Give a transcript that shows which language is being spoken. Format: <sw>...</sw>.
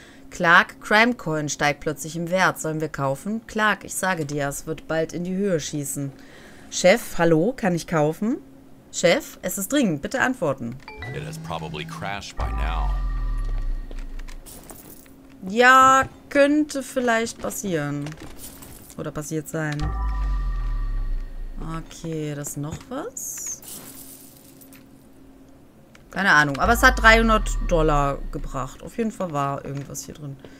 <de>Clark, Crimecoin steigt plötzlich im Wert. Sollen wir kaufen? Clark, ich sage dir, es wird bald in die Höhe schießen. Chef, hallo, kann ich kaufen? Chef, es ist dringend, bitte antworten.</de> <en>It has probably crashed by now.</en> <de>Ja, könnte vielleicht passieren. Oder passiert sein. Okay, das ist noch was? Keine Ahnung, aber es hat $300 gebracht. Auf jeden Fall war irgendwas hier drin.</de>